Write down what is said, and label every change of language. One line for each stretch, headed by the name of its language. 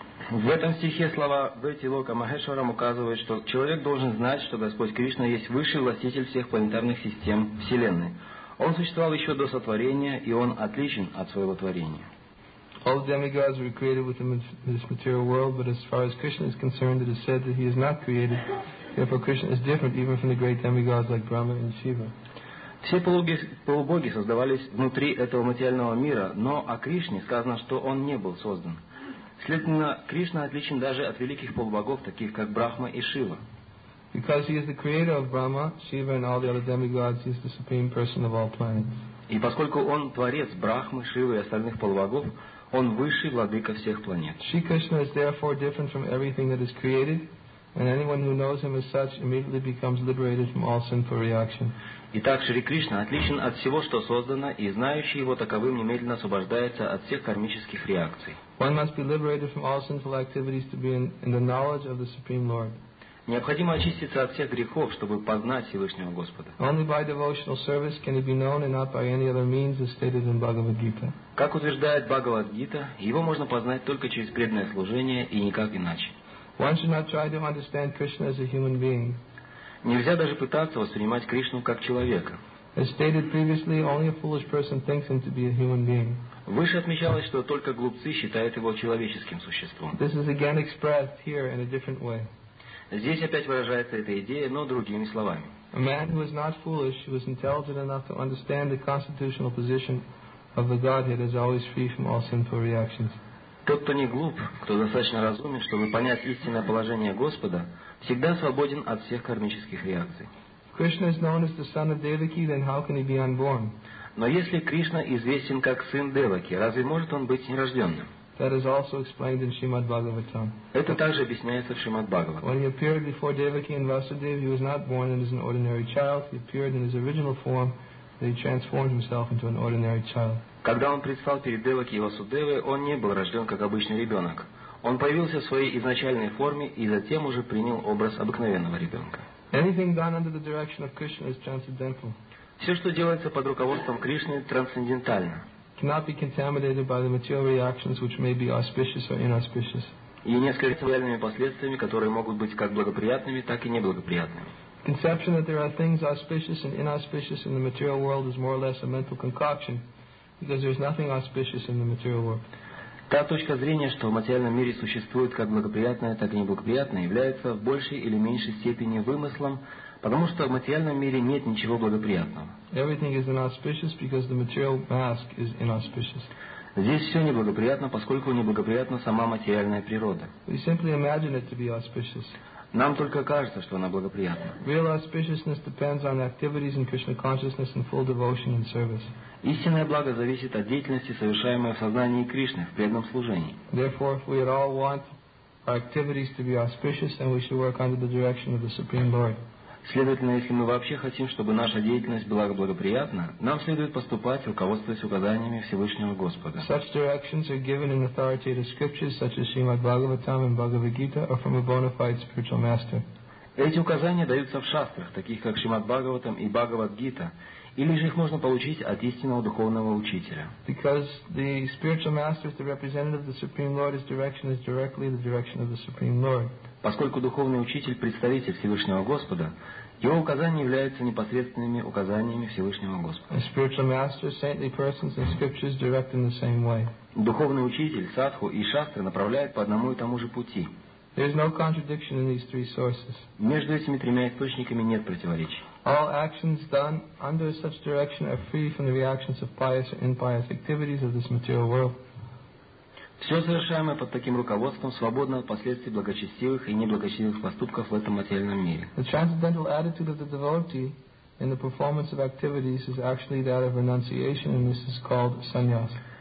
Russian: В этом стихе слова Вети Лока Махешварам указывают, что человек должен знать, что Господь Кришна есть высший властитель всех планетарных систем Вселенной. Он существовал еще до сотворения, и он отличен от своего творения.
English: All the demigods were created within this material world, but as far as Krishna is concerned, it is said that he is not created. Therefore, Krishna is different even from the great demigods like Brahma and Shiva.
Russian: Все полубоги создавались внутри этого материального мира, но о Кришне сказано, что он не был создан. Следовательно, Кришна отличен даже от великих полубогов, таких как Брахма и Шива.
English: Because he is the creator of Brahma, Shiva and all the other demigods, he is the supreme person of all planets.
Russian: И поскольку он творец Брахмы, Шивы и остальных полубогов, он высший владыка всех планет.
English: Shri Krishna is therefore different from everything that is created, and anyone who knows him as such immediately becomes liberated from all sinful reaction.
Russian: Итак, Шри Кришна отличен от всего, что создано, и знающий его таковым немедленно освобождается от всех кармических реакций.
English: One must be liberated from all sinful activities to be in the knowledge of the Supreme Lord.
Russian: Необходимо очиститься от всех грехов, чтобы познать Всевышнего Господа.
English: Only by devotional service can he be known and not by any other means as stated in Bhagavad Gita.
Russian: Как утверждает Бхагавад Гита, его можно познать только через преданное служение и никак иначе.
English: One should not try to understand Krishna as a human being.
Russian: Нельзя даже пытаться воспринимать Кришну как человека.
English: As stated previously, only a foolish person thinks him to be a human being.
Russian: Выше отмечалось, что только глупцы считают его человеческим существом.
English: This is again expressed here in a different way.
Russian: Здесь опять выражается эта идея, но другими словами.
English: A man who is not foolish, who is intelligent enough to understand the constitutional position of the Godhead, is always free from all sinful reactions.
Russian: Тот, кто не глуп, кто достаточно разумен, чтобы понять истинное положение Господа, всегда свободен от всех кармических реакций.
English: Krishna is known as the son of Devaki, then how can he be unborn?
Russian: Но если Кришна известен как сын Деваки, разве может он быть нерожденным?
English: That is also explained in Shrimad Bhagavatam.
Russian: Это также объясняется в Шримад Бхагаватам.
English: When he appeared before Devaki and Vasudev, he was not born as an ordinary child. He appeared in his original form. He transformed himself into an ordinary child.
Russian: Когда он предстал перед Деваки и Васудевой, он не был рожден как обычный ребенок. Он появился в своей изначальной форме и затем уже принял образ обыкновенного ребенка.
English: Anything done under the direction of Krishna is transcendental.
Russian: Все, что делается под руководством Кришны, трансцендентально.
English: Cannot be contaminated by the material reactions which may be auspicious or inauspicious.
Russian: И нескольких последствиями, которые могут быть как благоприятными, так и неблагоприятными.
English: Conception that there are things auspicious and inauspicious in the material world is more or less a mental concoction, because there is nothing auspicious in the material world.
Russian: Та точка зрения, что в материальном мире существует как благоприятное, так и неблагоприятное, является в большей или меньшей степени вымыслом, потому что в материальном мире нет ничего благоприятного.
English: Everything is inauspicious because the material mask is inauspicious.
Russian: Здесь все неблагоприятно, поскольку неблагоприятна сама материальная природа.
English: We simply imagine it to be auspicious.
Russian: Нам только кажется, что она благоприятна.
English: Real auspiciousness depends on activities in Krishna consciousness and full devotion and service.
Russian: Истинное благо зависит от деятельности, совершаемой в сознании Кришны, в преданном служении.
English: Therefore, if we at all want our activities to be auspicious, then we should work under the direction of the Supreme Lord.
Russian: Следовательно, если мы вообще хотим, чтобы наша деятельность была благоприятна, нам следует поступать, руководствуясь указаниями Всевышнего Господа.
English: Such directions are given in authoritative scriptures, such as Srimad Bhagavatam and Bhagavad Gita, or from a bona fide spiritual master.
Russian: Эти указания даются в шастрах, таких как Шримад Бхагаватам и Бхагавад Гита, или же их можно получить от истинного духовного учителя.
English: Because the spiritual master is the representative of the Supreme Lord, his direction is directly the direction of the Supreme Lord.
Russian: Поскольку духовный учитель – представитель Всевышнего Господа, его указания являются непосредственными указаниями Всевышнего Господа.
English: Spiritual masters, saintly persons, and scriptures direct in the same way.
Russian: Духовный учитель, садху и шастры направляют по одному и тому же пути.
English: There is no contradiction in these three sources.
Russian: Между этими тремя источниками нет противоречий.
English: All actions done under such direction are free from the reactions of pious or impious activities of this material world.
Russian: Все совершаемое под таким руководством свободно от последствий благочестивых и неблагочестивых поступков в этом материальном мире.
English: The transcendental attitude of the devotee in the performance of activities is actually that of renunciation, and this is called sannyas.